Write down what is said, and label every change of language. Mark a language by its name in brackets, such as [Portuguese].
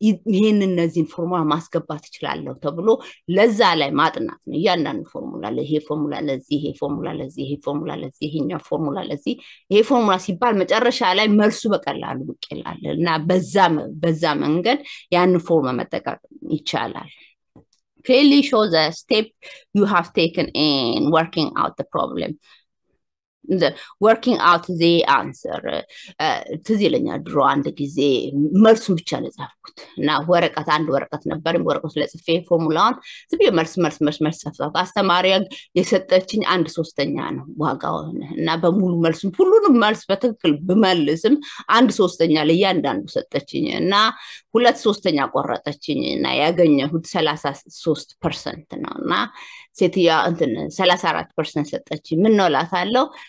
[Amharic] ይህን እነዚህን ፎርሙላ ማስገባት ይችላለሁ ተብሎ ለዛ ላይ ማጥናት ነው። እያንዳንዱ ፎርሙላ ይሄ ፎርሙላ ለዚህ ይሄ ፎርሙላ ለዚህ ይሄ ፎርሙላ ለዚህ ይሄኛው ፎርሙላ ለዚህ ይሄ ፎርሙላ ሲባል መጨረሻ ላይ መልሱ በቀላሉ ብቅ ይላል እና በዛ መንገድ ያን ፎርሙላ መጠቀም ይቻላል። [English] Clearly shows a step you have taken in working out the problem. The working out the answer. [Amharic] ትዝ ይለኛል ድሮ አንድ ጊዜ መልሱን ብቻ ነው የጻፍኩት እና ወረቀት አንድ ወረቀት ነበር ወረቀት ለጽፌ ፎርሙላውን ዝም ብዬ መልስ መልስ መልስ መልስ ጻፍኩ። አስተማሪ የሰጠችኝ አንድ ሶስተኛ ነው ዋጋውን እና በሙሉ መልሱ ሁሉንም መልስ በትክክል ብመልስም አንድ ሶስተኛ ለእያንዳንዱ ሰጠችኝ እና ሁለት ሶስተኛ ቆረጠችኝ እና ያገኘሁት 33% ነው እና ሴትዮዋ እንትን 34% ሰጠችኝ። ምን ነው እላታለሁ